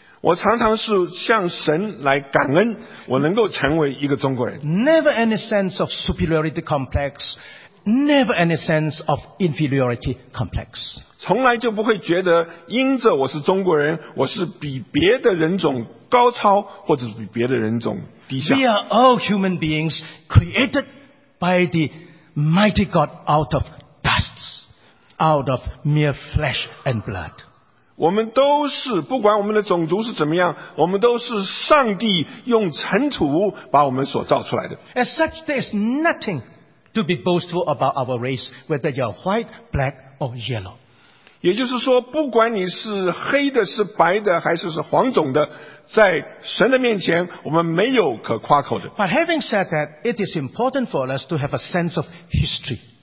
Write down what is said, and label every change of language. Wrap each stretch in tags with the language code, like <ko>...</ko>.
<zh>我常常是向神来感恩我能够成为一个中国人。</zh> <en>Never any sense of superiority complex. Never any sense of inferiority complex.</en> <zh>从来就不会觉得因着我是中国人我是比别的人种高超或者是比别的人种低下。</zh> <en>We are all human beings created by the mighty God out of dust, out of mere flesh and blood.</en> <zh>我们都是不管我们的种族是怎么样，我们都是上帝用尘土把我们所造出来的。</zh> <en>As such, there is nothing to be boastful about our race, whether you are white, black or yellow.</en> <zh>也就是说，不管你是黑的、是白的、还是是黄种的，在神的面前，我们没有可夸口的。</zh> <en>But having said that, it is important for us to have a sense of history.</en>